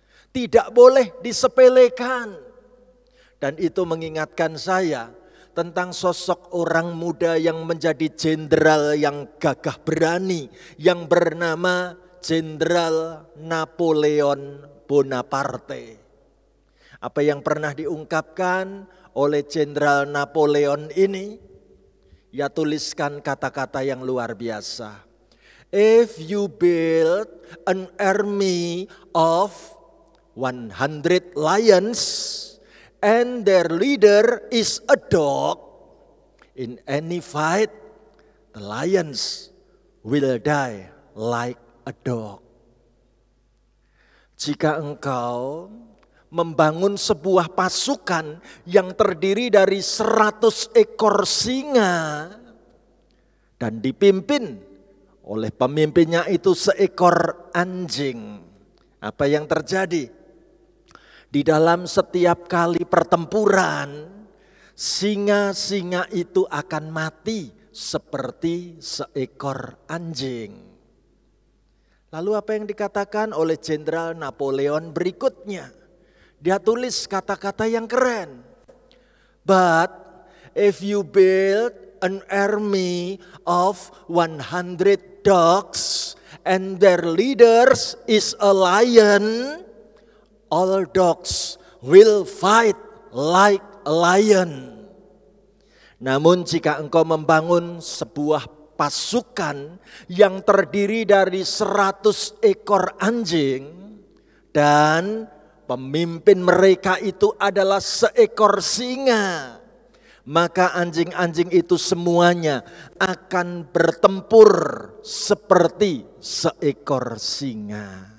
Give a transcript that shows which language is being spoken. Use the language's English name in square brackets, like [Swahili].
[Indonesian] Tidak boleh disepelekan. Dan itu mengingatkan saya tentang sosok orang muda yang menjadi jenderal yang gagah berani, yang bernama Jenderal Napoleon Bonaparte. Apa yang pernah diungkapkan oleh Jenderal Napoleon ini? Ya, tuliskan kata-kata yang luar biasa. [English] If you build an army of 100 lions and their leader is a dog, in any fight, the lions will die like a dog. [Indonesian] Jika engkau membangun sebuah pasukan yang terdiri dari 100 ekor singa dan dipimpin oleh pemimpinnya itu seekor anjing, apa yang terjadi? Di dalam setiap kali pertempuran, singa-singa itu akan mati seperti seekor anjing. Lalu apa yang dikatakan oleh Jenderal Napoleon berikutnya? Dia tulis kata-kata yang keren. [English] But if you build an army of 100 dogs and their leaders is a lion, all dogs will fight like a lion. [Indonesian] Namun jika engkau membangun sebuah pasukan yang terdiri dari 100 ekor anjing dan pemimpin mereka itu adalah seekor singa, maka anjing-anjing itu semuanya akan bertempur seperti seekor singa.